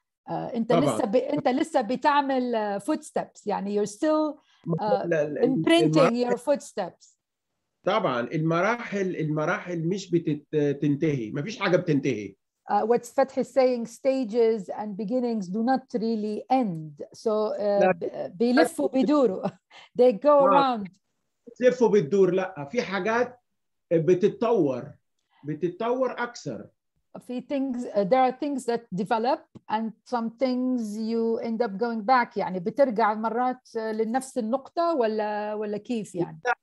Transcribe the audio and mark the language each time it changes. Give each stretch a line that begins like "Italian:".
Arabic: أنت لسه بتعمل
English: footsteps،
Arabic: يعني
English: you're still imprinting your footsteps.
Arabic: طبعاً المراحل مش بتنتهي، ما فيش حاجة بتنتهي.
English: What Fathi is saying, stages and beginnings do not really end. So
Arabic: بيلفوا بيدوروا.
English: They go around.
Arabic: بيلفوا بيدور، لا في حاجات بتتطور أكثر.
English: There are things that develop and some things you end up going back.
Arabic: يعني بترجع مرات لنفس النقطة ولا كيف يعني؟